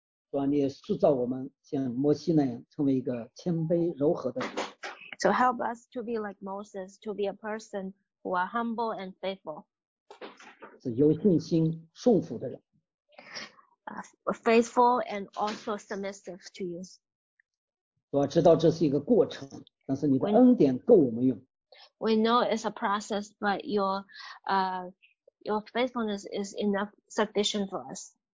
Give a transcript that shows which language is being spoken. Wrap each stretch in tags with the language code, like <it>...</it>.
<zh>主啊，你也塑造我们像摩西那样成为一个谦卑柔和的人。So</zh> <en>help us to be like Moses, to be a person who are humble and faithful.</en> <zh>是有信心顺服的人。</zh> <en>Faithful and also submissive to you.</en> <zh>我知道这是一个过程，但是你的恩典够我们用。</zh> <en>We know it's a process, but your faithfulness is enough sufficient for us.</en>